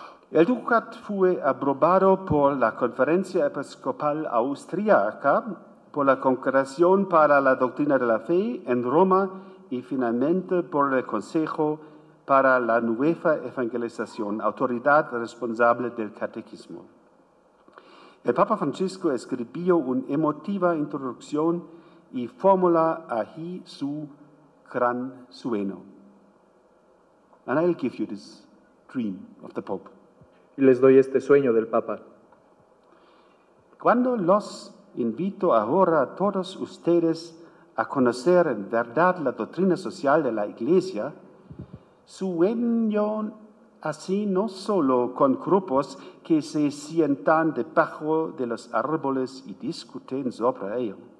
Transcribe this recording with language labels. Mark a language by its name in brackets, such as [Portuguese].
[Spanish] El DUCAT fue aprobado por la Conferencia Episcopal Austriaca, por la Congregación para la Doctrina de la Fe en Roma y finalmente por el Consejo para la Nueva Evangelización, autoridad responsable del catecismo. El Papa Francisco escribió una emotiva introducción y fórmula aquí su gran sueño. [English] And I'll give you this dream of the Pope. [Spanish] Y les doy este sueño del Papa. Cuando los invito ahora a todos ustedes a conocer en verdad la doctrina social de la Iglesia, sueño así no solo con grupos que se sientan debajo de los árboles y discuten sobre ello.